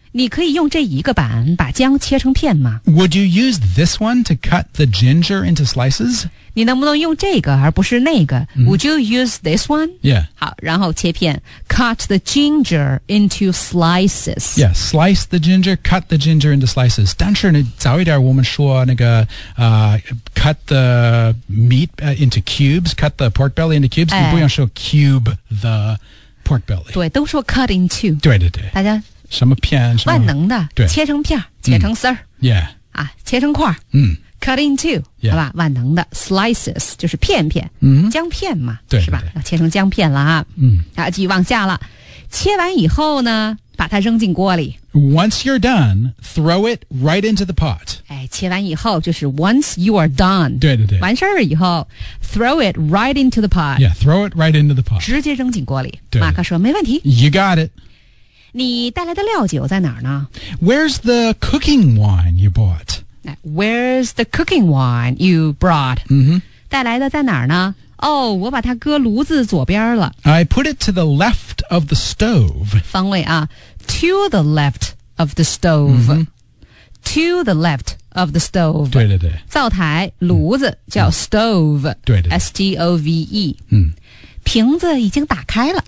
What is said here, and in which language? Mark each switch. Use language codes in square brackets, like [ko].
[zh] 你可以用这一个板把姜切成片吗 [en] ？Would you use this one to cut the ginger into slices？ [zh] 你能不能用这个而不是那个、mm-hmm. ？ [en] Would you use this one？ [zh] Yeah， 好，然后切片 ， [en] cut the ginger into slices。 Yeah， slice the ginger， cut the ginger into slices。 [zh] 但是你早一点我们说那个 [en] cut the meat into cubes， cut the pork belly into cubes、哎。 [zh] 你不用说 [en] cube the pork belly。 [zh] 对，都说 cut into。对对对。大家什么片什么？万能的，对，切成片，切成丝儿、嗯。Yeah，啊，切成块。嗯。 [en] Cut into,、 yeah. [zh] 好吧，万能的 slices 就是片片、 mm-hmm. 姜片嘛，对对对，是吧，要切成姜片了啊。嗯，啊，继续往下了，切完以后呢，把它扔进锅里。 [en] Once you're done, throw it right into the pot. [zh] 哎，切完以后就是 [en] once you are done. [zh] 对对对，完事儿以后 [en] throw it right into the pot. Yeah, throw it right into the pot. [zh] 直接扔进锅里。对对，马克说没问题。 [en] You got it. [zh] 你带来的料酒在哪儿呢？ [en] Where's the cooking wine you bought? Where's the cooking wine you brought?、 Mm-hmm. [zh] 带来的在哪儿呢？ Oh, 我把它搁炉子左边了。 [en] I put it to the left of the stove. [zh] 方位啊 [en] ,to the left of the stove.、Mm-hmm. To the left of the stove. [zh] 对对对。灶台炉子叫 stove.、Mm-hmm. 对对对。 [en] S-T-O-V-E.、 Mm-hmm. [zh] 瓶子已经打开了。